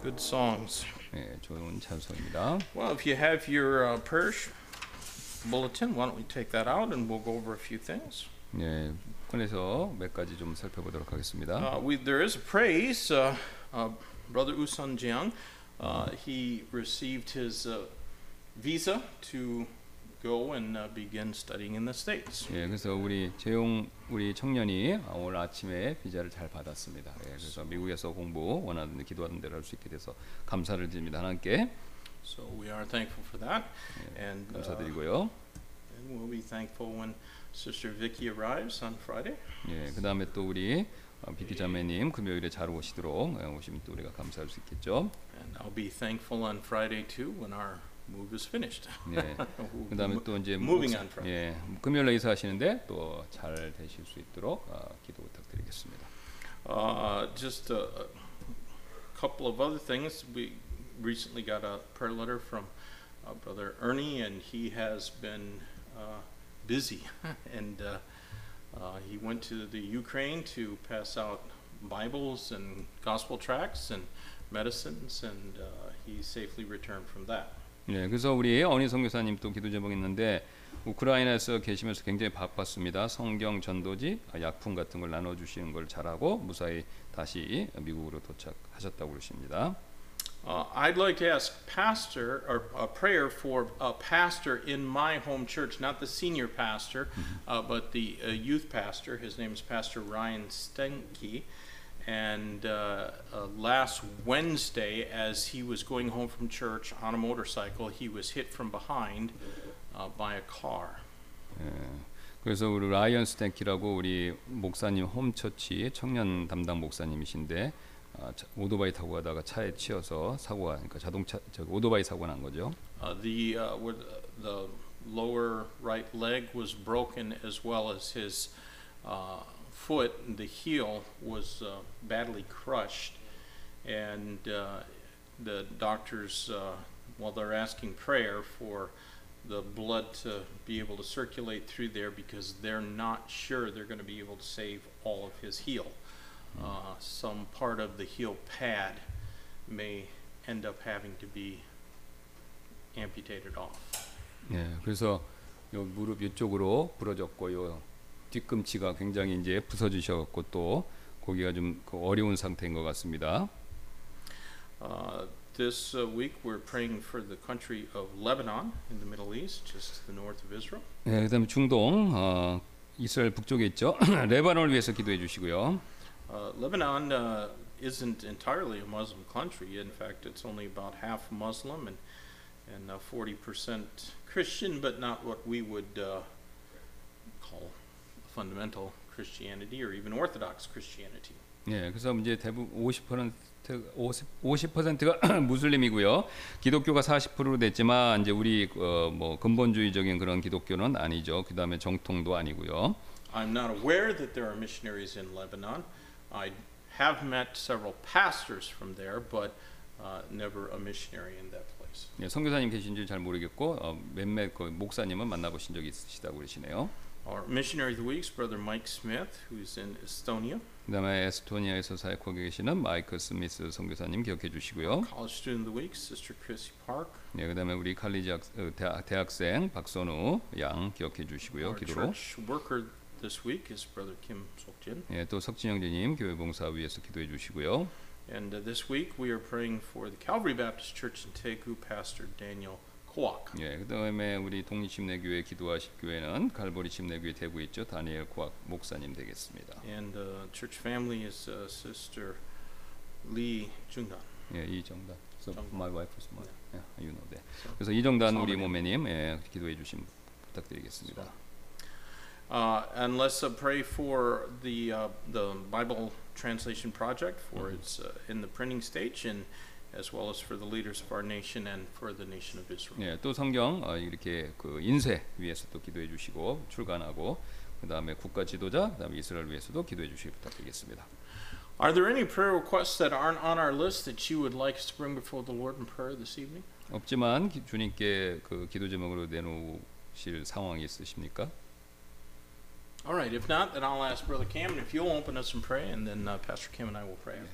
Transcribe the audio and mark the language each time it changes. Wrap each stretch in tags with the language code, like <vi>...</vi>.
<en>Well, if you have your parish bulletin, why don't we take that out and we'll go over a few things.</en> <ko>네, 그래서 몇 가지 좀 살펴보도록 하겠습니다.</ko> <en>There is a praise. Brother Usan Jiang, he received his visa to go and begin studying in the States.</en> <ko>예, 그래서 우리 재용 우리 청년이 오늘 아침에 비자를 잘 받았습니다. 예, 그래서 미국에서 공부 원하는 기도하는 대로 할 수 있게 돼서 감사를 드립니다. 하나님께.</ko> <en>So we are thankful for that.</en> <ko>예, and 감사드리고요.</ko> <en>And we'll be thankful when Sister Vicky arrives on Friday.</en> <ko>예, 그다음에 또 우리 비키 자매님 금요일에 잘 오시도록 오시면 또 우리가 감사할 수 있겠죠.</ko> <en>And I'll be thankful on Friday too when our move is finished.</en> <ko>예. 그다음에 또 이제</ko> <en>moving on Friday.</en> <ko>예. 금요일에 이사하시는데 또 잘 되실 수 있도록 기도 부탁드리겠습니다.</ko> <en>Just a couple of other things. We recently got a prayer letter from Brother Ernie, and he has been busy. And he went to the Ukraine to pass out Bibles and gospel tracts and medicines, and he safely returned from that.</en> <ko>네, 그래서 우리 어느 선교사님 또 기도 제목 있는데 우크라이나에서 계시면서 굉장히 바빴습니다. 성경 전도지 약품 같은 걸 나눠 주시는 걸 잘하고 무사히 다시 미국으로 도착하셨다고 그러십니다.</ko> <en>I'd like to ask pastor or a prayer for a pastor in my home church, not the senior pastor, but the youth pastor. His name is Pastor Ryan Stenke. And last Wednesday, as he was going home from church on a motorcycle, he was hit from behind by a car.</en> <ko>그래서 우리 라이언 스탱키라고 우리 목사님 홈처치 청년 담당 목사님이신데 오토바이 타고 가다가 차에 치여서 사고가 그러니까 자동차 저 오토바이 사고 난 거죠.</ko> <en>The lower right leg was broken as well as his foot, the heel was badly crushed, and the doctors, well, they're asking prayer for the blood to be able to circulate through there because they're not sure they're going to be able to save all of his heel. Some part of the heel pad may end up having to be amputated off.</en> <ko>네, 그래서 요 무릎 이쪽으로 부러졌고요. 뒤꿈치가 굉장히 이제 부서지셨고 또 고기가 좀 어려운 상태인 것 같습니다.</ko> <en>This week we're praying for the country of Lebanon in the Middle East, just the north of Israel.</en> <ko>네, 그다음 중동 이스라엘 북쪽에 있죠. 레바논을 위해서 기도해 주시고요.</ko> <en>Lebanon isn't entirely a Muslim country. In fact, it's only about half Muslim, and and 40% Christian, but not what we would call fundamental Christianity or even Orthodox Christianity.</en> <ko>예, 그래서 이제 대부분 50%가 무슬림이고요. 기독교가 40%로 됐지만 이제 우리 뭐 근본주의적인 그런 기독교는 아니죠. 그다음에 정통도 아니고요.</ko> <en>I'm not aware that there are missionaries in Lebanon. I have met several pastors from there, but never a missionary in that place.</en> <ko>예, 선교사님 계신 줄 잘 모르겠고 몇몇 그 목사님은 만나보신 적이 있으시다고 그러시네요.</ko> <en>Our missionary of the week is Brother Mike Smith, who is in Estonia.</en> <ko>그다음에 에스토니아에서 사역하고 계시는 마이크 스미스 선교사님 기억해 주시고요.</ko> <en>College student of the week, Sister Chrissy Park.</en> <ko>네, 그다음에 우리 칼리지 대학생 박선우 양 기억해 주시고요. 기도로.</ko> <en>Our church worker this week is Brother Kim Sokjin.</en> <ko>네, 또 석진영재님 교회 봉사 위해서 기도해 주시고요.</ko> <en>And this week we are praying for the Calvary Baptist Church in Taegu, Pastor Daniel.</en> <ko>예, 그다음에 우리 독립침례교회 기도하실 교회는 갈보리 침례교회 대구에 있죠. 다니엘 코악 목사님 되겠습니다.</ko> <en>And the church family is Sister Lee Jung-dan. 예, 이정단. So my wife is my. Yeah, you know that.</en> <ko>그래서 이정단 우리 모매님 예, 기도해 주신 부탁드리겠습니다.</ko> <en>And let's pray for the Bible translation project for it's in the printing stage and as well as for the leaders of our nation and for the nation of Israel.</en> <ko>예, 또 성경 이렇게 그 인쇄 위해서도 기도해 주시고 출간하고 그다음에 국가 지도자 그다음에 이스라엘 위해서도 기도해 주시기 부탁드리겠습니다.</ko> <en>Are there any prayer requests that aren't on our list that you would like to bring before the Lord in prayer this evening?</en> <ko>없지만 주님께 그 기도 제목으로 내놓으실 상황이 있으십니까?</ko> <en>All right, if not then I'll ask Brother Cam and if you'll open us in prayer and then Pastor Cam and I will pray.</en>